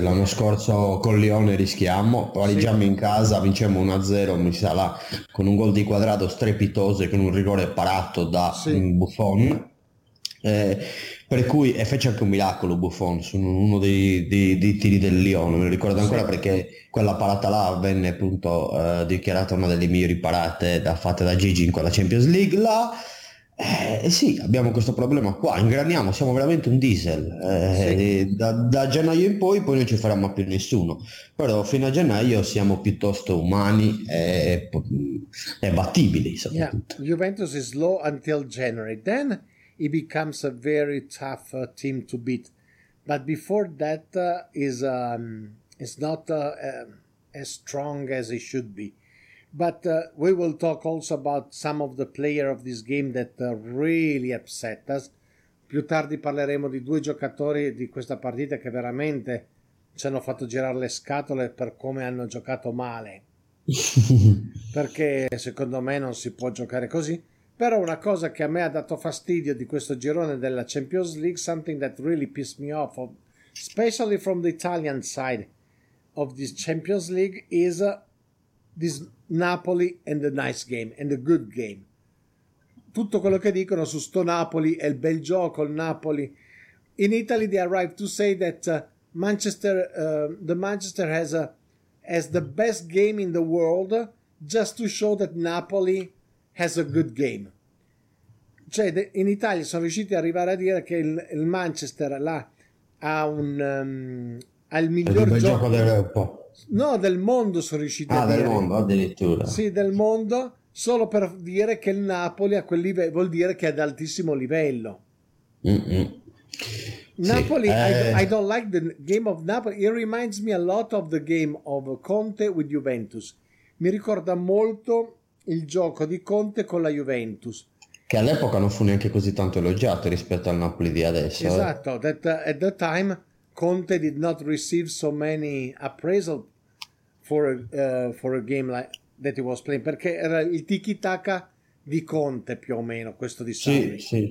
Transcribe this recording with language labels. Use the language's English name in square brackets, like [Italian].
[Italian] L'anno scorso con Lione rischiamo, pareggiamo, sì, in casa, vincemmo 1-0, mi sa, là con un gol di Quadrado strepitoso e con un rigore parato da, sì, Buffon, per cui, e fece anche un miracolo Buffon su uno dei tiri del Lione, me lo ricordo ancora, sì, perché quella parata là venne appunto dichiarata una delle migliori parate fatte da Gigi in quella Champions League là. Sì, abbiamo questo problema qua, ingraniamo, siamo veramente un diesel, sì, da gennaio in poi non ci faremo più nessuno, però fino a gennaio siamo piuttosto umani e battibili soprattutto. [English] Yeah. Juventus is low until January, then it becomes a very tough team to beat, but before that is not as strong as it should be. But we will talk also about some of the player of this game that really upset us. [Italian] Più tardi parleremo di due giocatori di questa partita che veramente ci hanno fatto girare le scatole per come hanno giocato male. Perché secondo me non si può giocare così. Però una cosa che a me ha dato fastidio di questo girone della Champions League, [English] something that really pissed me off, especially from the Italian side of this Champions League, is this Napoli and the nice game and the good game. [Italian] Tutto quello che dicono su sto Napoli e il bel gioco, il Napoli. [English] In Italy they arrive to say that Manchester has the best game in the world just to show that Napoli has a good game. [Italian] Cioè, in Italia sono riusciti ad arrivare a dire che il Manchester là ha un al miglior gioco d'Europa. No, del mondo sono riusciti a dire. Ah, del mondo addirittura. Sì, del mondo, solo per dire che il Napoli a quel livello, vuol dire che è ad altissimo livello. Mm-hmm. [English] Napoli, sì, I don't like the game of Napoli. It reminds me a lot of the game of Conte with Juventus. [Italian] Mi ricorda molto il gioco di Conte con la Juventus, che all'epoca non fu neanche così tanto elogiato rispetto al Napoli di adesso. [English] Esatto, that at the time Conte did not receive so many appraisal for a game like that he was playing, [Italian] perché era il tiki taka di Conte più o meno, questo di Sarri.